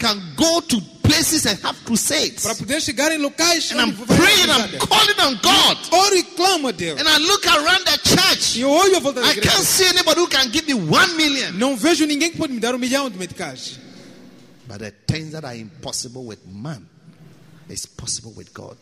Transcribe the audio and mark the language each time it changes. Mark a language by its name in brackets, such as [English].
[English] So I can go to places and have crusades. [Portuguese] Para poder chegar em locais. [English] And I'm praying, I'm calling on God. [Portuguese] Oro e clamo a Deus. [English] And I look around the church. [Portuguese] E olho a volta da igreja. [English] I can't see anybody who can give me 1 million. [Portuguese] Não vejo ninguém que pode me dar 1 milhão de meticais. [English] But the things that are impossible with man is possible with God.